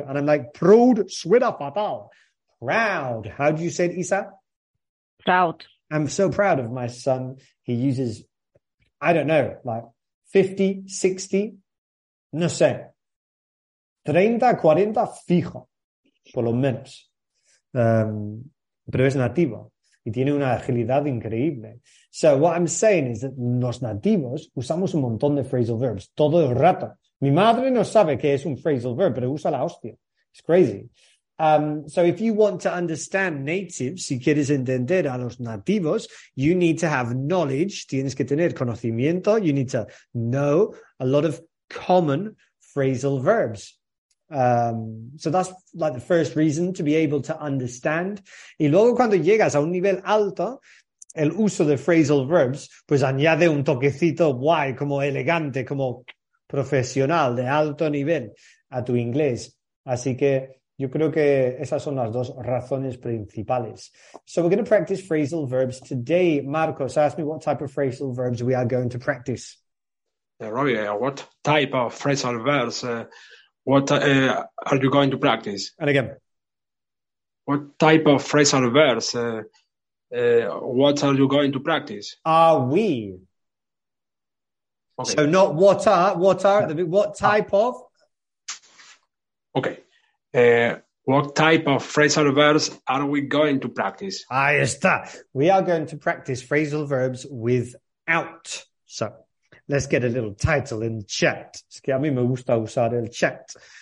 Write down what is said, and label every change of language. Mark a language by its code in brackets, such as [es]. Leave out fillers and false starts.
[en] And I'm like, proud, [es] suena fatal. [en] Proud. How do you say it, Isa? Proud. I'm so proud of my son. He uses, I don't know, like 50, 60, [es] no sé. 30, 40, fijo. Por lo menos. Pero es nativo y tiene una agilidad increíble. [en] So what I'm saying is that [es] los nativos usamos un montón de phrasal verbs todo el rato. Mi madre no sabe qué es un phrasal verb, pero usa la hostia. [en] It's crazy. So if you want to understand natives, [es] si quieres entender a los nativos, [en] you need to have knowledge. [es] Tienes que tener conocimiento. [en] You need to know a lot of common phrasal verbs. So that's like the first reason to be able to understand. [es] Y luego cuando llegas a un nivel alto, el uso de phrasal verbs, pues añade un toquecito guay, como elegante, como profesional, de alto nivel a tu inglés. Así que yo creo que esas son las dos razones principales. [en] So we're going to practice phrasal verbs today. Marcos, ask me what type of phrasal verbs we are going to practice. Robbie, what type of phrasal verbs are you going to practice? And again. What type of phrasal verbs what are you going to practice? Are we? Okay. So not what type of? Okay. What type of phrasal verbs are we going to practice? [es] Ahí está. [en] We are going to practice phrasal verbs without. So let's get a little title in the chat. [es] Es que a mí me gusta usar el chat.